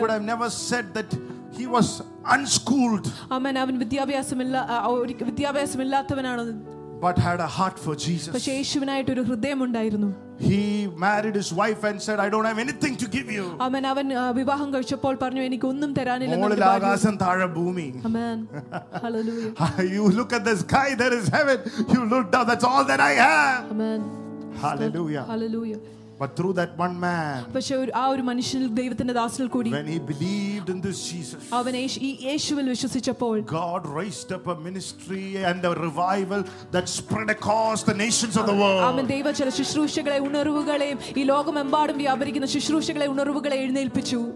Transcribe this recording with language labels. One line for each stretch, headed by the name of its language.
English: I would have never said that he was unschooled.
Malayalam: അവൻ വിദ്യാഭ്യാസമില്ല വിദ്യാഭ്യാസമില്ലാത്തവനാണ്.
English: But had a heart for Jesus.
Malayalam: പക്ഷേ യേശുവിനായിട്ട് ഒരു ഹൃദയം ഉണ്ടായിരുന്നു.
English: He married his wife and said, I don't have anything to give you.
Malayalam: അമ്മേ അവൻ വിവാഹം കഴിച്ചപ്പോൾ പറഞ്ഞു എനിക്ക് ഒന്നും തരാനില്ലെന്ന്. മോളിൽ ആകാശം താഴെ ഭൂമി. അമ്മേ. Hallelujah.
English: You look at the sky, there is heaven. You look down, that's all that I have. അമ്മേ. Hallelujah. Hallelujah. But through that one man,
Malayalam: പക്ഷേ ആ ഒരു മനുഷ്യനിൽ ദൈവത്തിന്റെ ദാസനിൽ കൂടി,
English: when he believed in this Jesus,
Malayalam: അവൻ ഈ യേശുവിൽ വിശ്വസിച്ചപ്പോൾ,
English: God raised up a ministry and a revival that spread across the nations of the world.
Malayalam: അവൻ ദൈവചല ശുശ്രൂഷകളെ ഉണർവുകളെയും ഈ ലോകമെമ്പാടും വ്യാപരിക്കുന്ന ശുശ്രൂഷകളെ ഉണർവുകളെ എഴുന്നേൽപ്പിച്ചു.